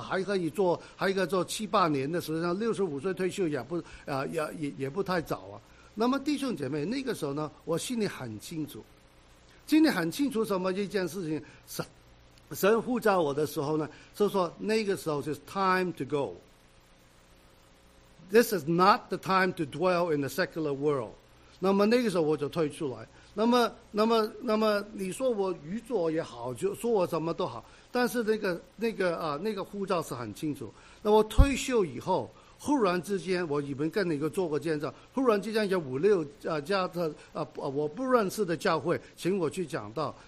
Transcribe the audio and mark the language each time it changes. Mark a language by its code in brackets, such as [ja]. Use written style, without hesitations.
[zh] 还可以做七八年的时间，65岁退休也不太早啊。那么弟兄姐妹，那个时候呢，我心里很清楚什么一件事情，神呼召我的时候呢，是说那个时候是 [en] time to go。 This is not the time to dwell in the secular world. [zh] 那么那个时候我就退出来。那么你说我愚拙也好，就说我什么都好，但是那个护照是很清楚。那我退休以后，忽然之间，我已经跟你个做过见证，忽然之间有五六家的我不认识的教会请我去讲道。